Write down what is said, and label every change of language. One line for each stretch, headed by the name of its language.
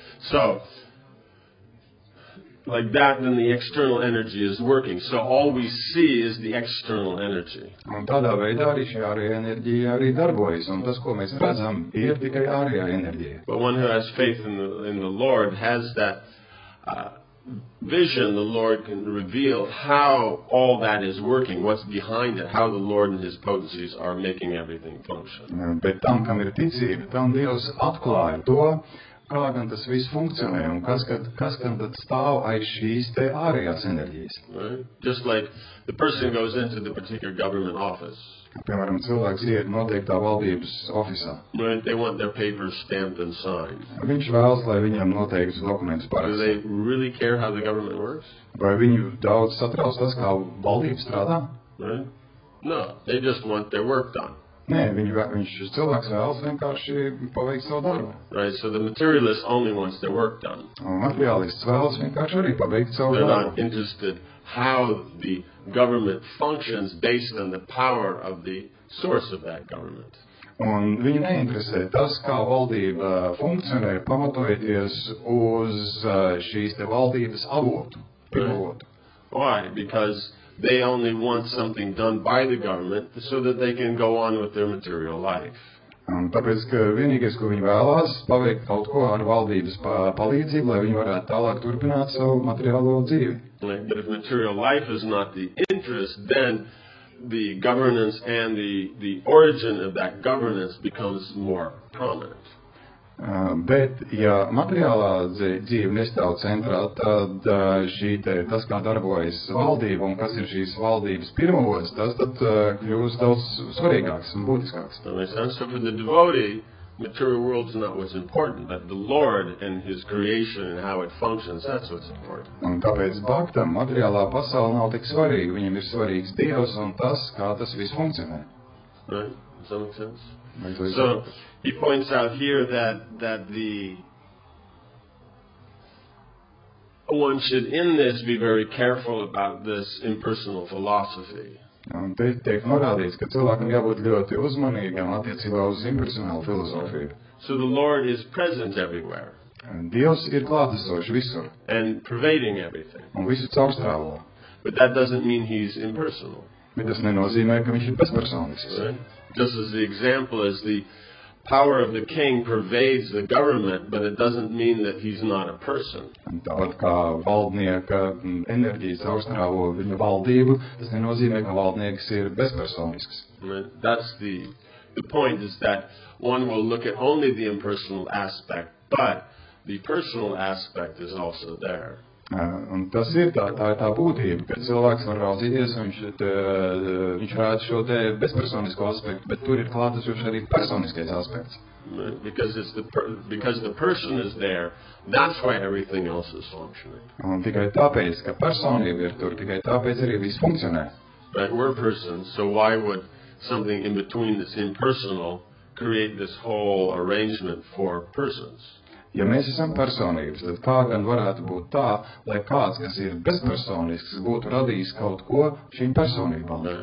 English: So, like that, then the external energy is working. So all we see is the external energy.
Latvian: Un tādā veidā arī šī ārējā enerģija arī darbojas. Un tas, ko mēs redzam, ir tikai ārējā enerģija.
English: But one who has faith in the Lord has that vision, the Lord can reveal how all that is working, what's behind it, how the Lord and his potencies are making everything function.
Latvian: Bet tam, kam ir ticība, tam Dievs atklāja to, kā gan tas viss funkcionē un kas gan tad stāv aiz šīs te ārējās enerģijas.
English: Right? Just like the person goes into the particular government office.
Latvian: Piemēram, cilvēks iet noteiktā valdības ofisā.
English: Right, they want their papers stamped and signed.
Latvian: Viņš vēlas, lai viņam noteiktas dokumentus parakstīt.
English: Do they really care how the government works?
Latvian: Vai viņu daudz satrauc tas, kā valdība strādā?
English: Right? No, they just want their work done.
Latvian: Nē, viņš cilvēks vēlas vienkārši paveikt savu darbu.
English: Right, so the materialist only wants their work done.
Latvian: Un materialists vēlas vienkārši arī paveikt savu
English: They're
Latvian: darbu.
English: They're not interested how the government functions based on the power of the source of that government.
Latvian: Un viņi neinteresē tas, kā valdība funkcionē, pamatojoties uz šīs te valdības avotu, pirmavotu.
English: Right. Why? Because they only want something done by the government so that they can go on with their material life.
Latvian: Tāpēc, ka vienīgais, ko viņi vēlas, paveikt kaut ko ar valdības palīdzību, lai viņi varētu tālāk turpināt savu materiālo dzīvi.
English: Right, but if material life is not the interest, then the governance and the origin of that governance becomes more prominent.
Latvian: Bet ja materiālā dzīve nestāv centrā, tad tas, kā darbojas valdība un kas ir šīs valdības pirmavots, tas tad kļūst daudz svarīgāks un būtiskāks.
English: So for the devotee, material world is not what's important, but the Lord and his creation and how it functions, that's what's important.
Latvian: Un tāpēc bhaktam materiālā pasaule nav tik svarīga, viņam ir svarīgs Dievs un tas, kā tas viss funkcionē.
English: Right? So he points out here that the one should in this be very careful about this impersonal philosophy.
Latvian: Un te tiek norādīts, ka cilvēkam jābūt ļoti uzmanīgam attiecībā uz impersonālu filozofiju.
English: So the Lord is present everywhere.
Latvian: Un Dievs ir klātesošs visur.
English: And pervading everything.
Latvian: Un visu caurstrāvo.
English: But that doesn't mean he's impersonal.
Latvian: Bet tas nenozīmē, ka viņš ir bezpersonisks.
English: Right? Just as the example is the power of the king pervades the government, but it doesn't mean that he's not a person.
Latvian: Tāpat kā valdnieka enerģija caurstrāvo viņa valdību, tas nenozīmē, ka valdnieks ir bezpersonisks.
English: That's the point is that one will look at only the impersonal aspect, but the personal aspect is also there.
Latvian: Un tas ir tā būtība, ka cilvēks var raudzīties, viņš rāda šo te bezpersonisko aspektu, bet tur ir klātesošs arī personiskais aspekts.
English: Because the person is there, that's why everything else is functioning.
Latvian: Un tikai tāpēc, ka personība ir tur, tikai tāpēc arī viss funkcionē.
English: But we're persons, so why would something in between this impersonal create this whole arrangement for persons?
Latvian: Ja mēs esam personības, tad kā gan varētu būt tā, lai kāds, kas ir bezpersonisks, būtu radījis kaut ko šīm personībām?